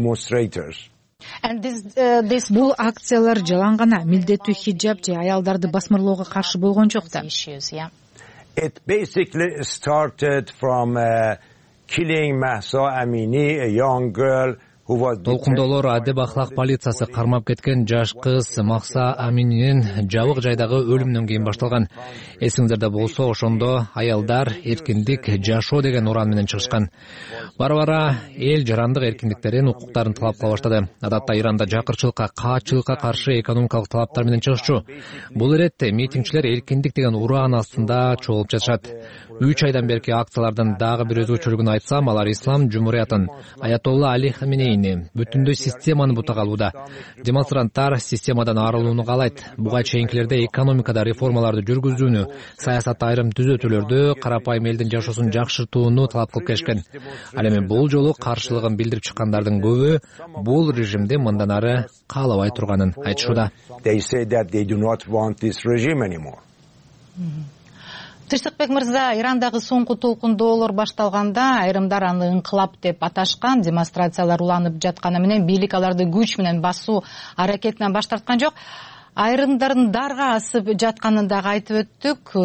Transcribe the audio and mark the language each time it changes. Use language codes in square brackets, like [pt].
[ky] Бул акциялар жалаң гана милдеттүү хиджаб же аялдарды басмырлоого каршы болгон жок да. [en] It basically started from killing Mahsa Amini, a young girl. [ky] Толкундоолор адеп ахлак полициясы кармап кеткен жаш кыз Махса Амининин жабык жайдагы өлүмүнөн кийин башталган. Эсиңиздерде болсо, ошондо аялдар эркиндик, жашоо деген уран менен чыгышкан. Бара-бара эл жарандык эркиндиктерин, укуктарын талап кыла баштады. Адатта Иранда жакырчылыкка, каачылыкка каршы экономикалык талаптар менен чыгышчу. Бул иретте митингчилер эркиндик деген ураан астында чогулуп жатышат. 3 айдан берки акциялардын дагы бир өзгөчөлүгүн айтсам, алар Ислам Жумуриятын аятолла Али Хаминейин мени. Бүтүндөй системаны бутагалууда. Демонстранттар системадан арылууну каалайт. Буга чейинкилерде экономикада реформаларды жүргүзүүнү, саясатта айрым түзөтүүлөрдү, карапайым элдин жашоосун жакшыртууну талап кылып келишкен. Ал эми бул жолу каршылыгын билдирип чыккандардын көбү бул режимди мындан ары каалабай турганын айтышууда. [en] They say that they do not want this regime anymore. [ky] Тыштыкбек мырза, Ирандагы соңку толкундоолор башталганда айрымдар аны инкылап деп аташкан, демонстрациялар уланып жатканы менен бийлик аларды күч менен басуу аракетинен баш тарткан жок. Айрымдардын дарга асып жатканын дагы айтып өттүк.